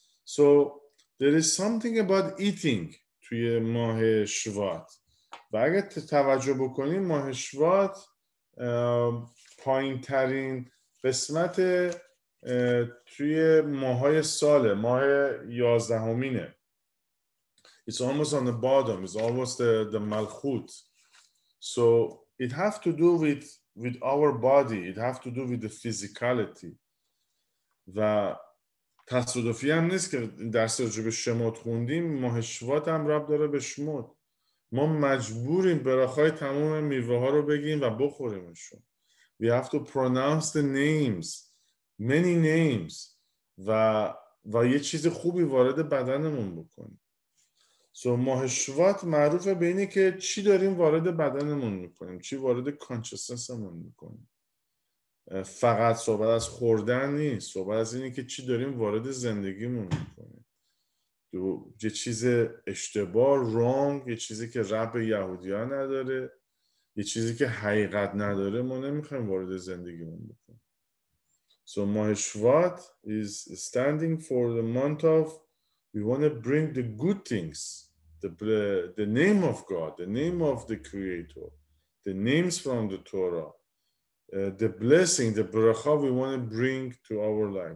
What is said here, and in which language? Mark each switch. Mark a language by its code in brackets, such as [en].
[en] So there is something about eating [fa] توی ماه شوات. و اگه توجه بکنیم ماه شوات پایین ترین قسمت توی ماهای ساله، ماه یازدهمینه. [en] It's almost on the bottom. It's almost the ملخوت. So it have to do with our body. It have to do with the physicality. [fa] و تصادفی هم نیست که درس راجع به شموت خوندیم، ماه شوات هم رب داره به شموت. ما مجبوریم برخای تمام میوه ها رو بگیم و بخوریمشون. [en] We have to pronounce the names, many names, [fa] و یه چیز خوبی وارد بدنمون بکنیم. So ماه شوات معروفه به اینه که چی داریم وارد بدنمون میکنیم، چی وارد consciousnessمون میکنیم. فقط صحبت از خوردن نیست، صحبت از اینه که چی داریم وارد زندگیمون میکنیم. یه چیز اشتباه، رونگ، یه چیزی که رب یهودی ها نداره، یه چیزی که حقیقت نداره، ما نمیخوایم وارد زندگیمون بکنیم. [en] So ماه شوات is standing for the month of we want to bring the good things, the name of God, the name of the Creator, the names from the Torah, the blessing, the bracha we want to bring to our life.